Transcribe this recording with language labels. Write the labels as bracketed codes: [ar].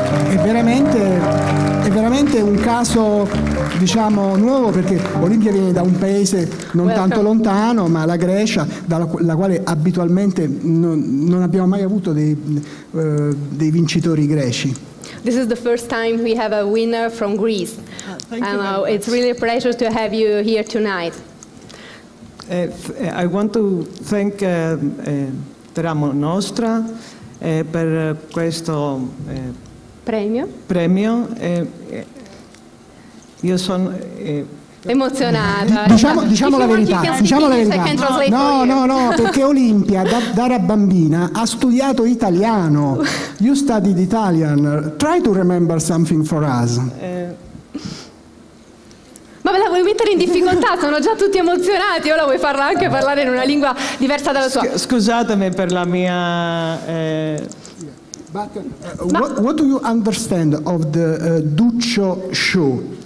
[it] È veramente un caso, diciamo, nuovo, perché Olimpia viene da un paese non tanto lontano, ma la Grecia, dalla quale abitualmente non abbiamo mai avuto dei vincitori greci. [en] This is the first time we have a winner from Greece. Thank you very much. It's really a pleasure to have you here tonight. I want to thank Teramo Nostra [it] per questo premio. Io sono emozionata. Diciamo la verità. No, perché Olimpia da rabbambina ha studiato italiano. [en] You studied Italian. Try to remember something for us. [it] Ma me la vuoi mettere in difficoltà? Sono già tutti emozionati. Ora vuoi farla anche parlare in una lingua diversa dalla tua. Scusatemi per la mia [en] What do you understand of the Duccio show?